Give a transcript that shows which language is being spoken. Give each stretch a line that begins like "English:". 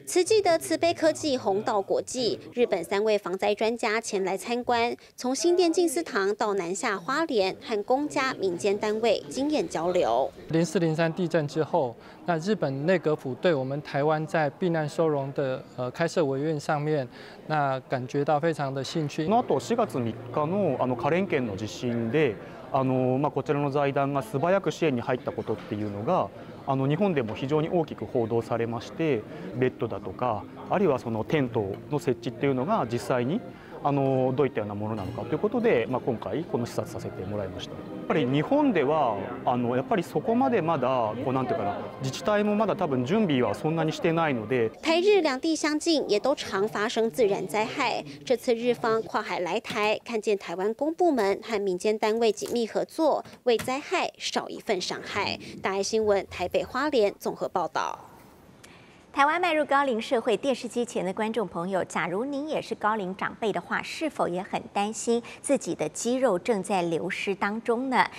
Chinese: 慈济的慈悲科技红道国际，日本3位防灾专家前来参观，从新店静思堂到南下花莲，和公家民间单位经验交流。 0403地震之后，那日本内阁府对我们台湾在避难收容的开设委员上面，那感觉到非常的兴趣。那到
Japanese: 4月3日のあの花蓮県の地震で。こちらの財団が素早く支援に入ったことっていうのが日本でも非常に大きく報道されまして、ベッドだとかあるいはそのテントの設置っていうのが実際にどういったようなものなのかということで、まあ、今回この視察させてもらいました。やっぱり日本ではやっぱりそこまでまだこうなんていうかな、自治体もまだ多分準備はそんなにしてないので。
Chinese: 台日两地相近，也都常发生自然灾害。这次日方跨海来台，看见台湾公部门和民间单位紧密合作，为灾害少一份伤害。大爱新闻台北花莲综合报道。台湾迈入高龄社会，电视机前的观众朋友，假如您也是高龄长辈的话，是否也很担心自己的肌肉正在流失当中呢？